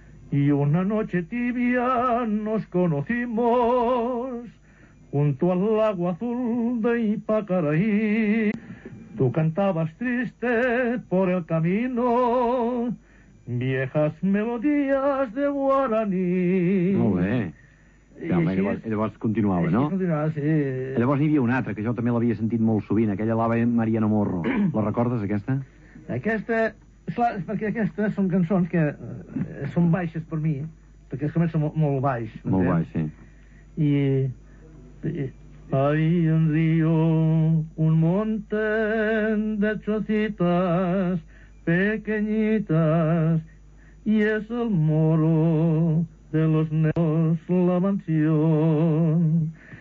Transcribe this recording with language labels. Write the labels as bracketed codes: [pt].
[es] Y una noche tibia nos conocimos junto al lago azul de Ipacaraí. Tú cantabas triste por el camino viejas melodías de guaraní. [ca] Molt bé. Ja, home, llavors continuava, no? Continuava, sí. Llavors n'hi havia una altra, que jo també l'havia sentit molt sovint, aquella l'Ave Mariano Morro. La recordes, aquesta? Aquesta, clar, perquè aquestes són cançons que són baixes per mi, perquè comença molt baix. Molt baix, sí. I... [es] Hay un río, un monte de chocitas pequeñitas, y es el moro de los negros la mansión.